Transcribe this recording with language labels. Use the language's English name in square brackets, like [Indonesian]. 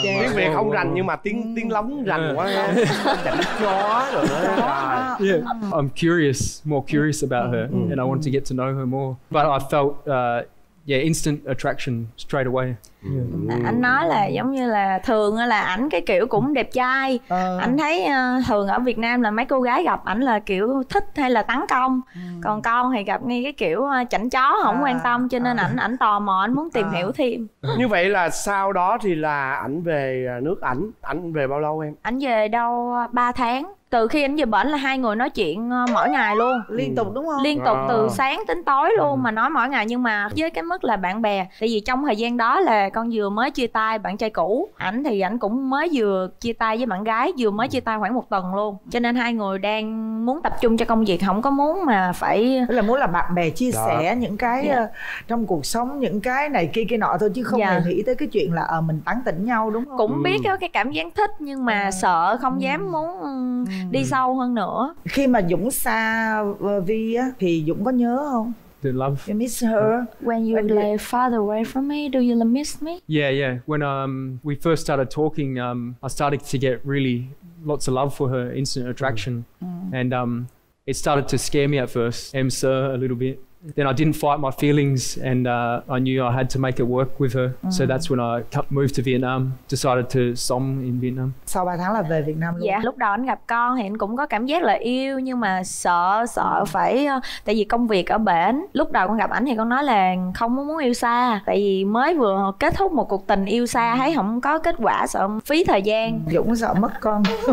[Vietnamese] Tiếng Việt không rành nhưng mà tiếng lóng rành quá. Chân chó rồi. [English] Yeah. I'm more curious about her and I want to get to know her more. But I felt instant attraction straight away. [Vietnamese] Anh nói là giống như là thường là ảnh cái kiểu cũng đẹp trai. Anh thấy thường ở Việt Nam là mấy cô gái gặp ảnh là kiểu thích hay là tấn công. Còn con thì gặp ngay cái kiểu chảnh chó không quan tâm, cho nên ảnh tò mò, ảnh muốn tìm hiểu thêm. Như vậy là sau đó thì là ảnh về nước ảnh. Ảnh về bao lâu em? Ảnh về đâu 3 tháng. Từ khi ảnh về bển là hai người nói chuyện mỗi ngày luôn. Liên tục đúng không? Liên tục từ sáng tới tối luôn mà nói mỗi ngày. Nhưng mà với cái mức là bạn bè, tại vì trong thời gian đó là con vừa mới chia tay bạn trai cũ. Ảnh thì ảnh cũng mới vừa chia tay với bạn gái, vừa mới chia tay khoảng một tuần luôn. Cho nên hai người đang muốn tập trung cho công việc, không có muốn mà phải... Tức là muốn là bạn bè chia sẻ những cái trong cuộc sống, những cái này kia kia nọ thôi. Chứ không hề nghĩ tới cái chuyện là mình tán tỉnh nhau đúng không? Cũng biết cái cảm giác thích nhưng mà sợ không dám muốn... đi sâu hơn nữa. Khi mà Dũng xa Vi á thì Dũng có nhớ không? [English] Do you love? You miss her? When you lay farther away from me, do you miss me? Yeah, yeah. When we first started talking, I started to get really lots of love for her, instant attraction. And it started to scare me at first, a little bit. Then I didn't fight my feelings and I knew I had to make it work with her. So that's when I moved to Vietnam, decided to [Vietnamese] sống [English] in Vietnam. [Vietnamese] Sau 3 tháng là về Việt Nam luôn. Dạ, lúc đầu anh gặp con thì anh cũng có cảm giác là yêu nhưng mà sợ phải, tại vì công việc ở bển. Lúc đầu con gặp ảnh thì con nói là không muốn yêu xa, tại vì mới vừa kết thúc một cuộc tình yêu xa thấy không có kết quả, sợ phí thời gian. Dũng sợ mất con.